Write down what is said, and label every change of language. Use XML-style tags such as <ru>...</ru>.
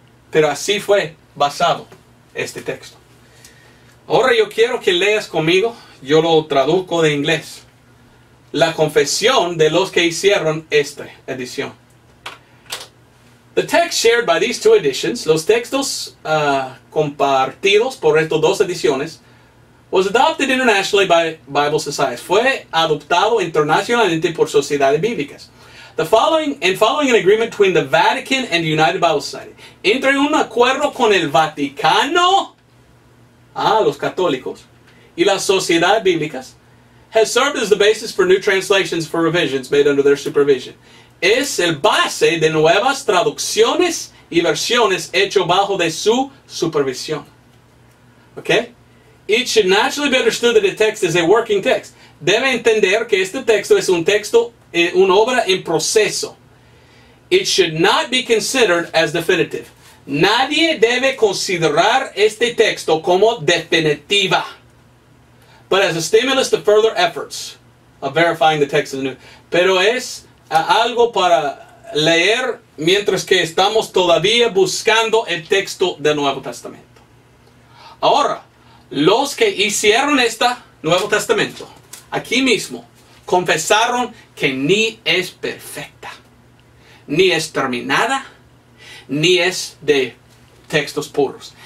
<es>Pero así fue basado este texto. Ahora yo quiero que leas conmigo, yo lo traduzco de inglés, la confesión de los que hicieron esta edición.</es> <en>The text shared by these two editions,</en> <es>los textos compartidos por estas dos ediciones,</es> <en>was adopted internationally by Bible societies.</en> <es>Fue adoptado internacionalmente por sociedades bíblicas.</es> <en>Following an agreement between the Vatican and the United Bible Society.</en> <es>Entre un acuerdo con el Vaticano, los católicos, y las sociedades bíblicas,</es> <en>has served as the basis for new translations for revisions made under their supervision.</en> <es>Es el base de nuevas traducciones y versiones hecho bajo de su supervisión.</es> <en>Okay? It should naturally be understood that the text is a working text.</en> <es>Debe entender que este texto es un texto, una obra en proceso.</es> <en>It should not be considered as definitive.</en> <es>Nadie debe considerar este texto como definitiva.</es> <en>But as a stimulus to further efforts of verifying the text of the new.</en> <es>Pero es algo para leer mientras que estamos todavía buscando el texto del Nuevo Testamento. Ahora, los que hicieron este Nuevo Testamento, aquí mismo, confesaron que ni es perfecta, ni es terminada, ni es de textos puros.</es>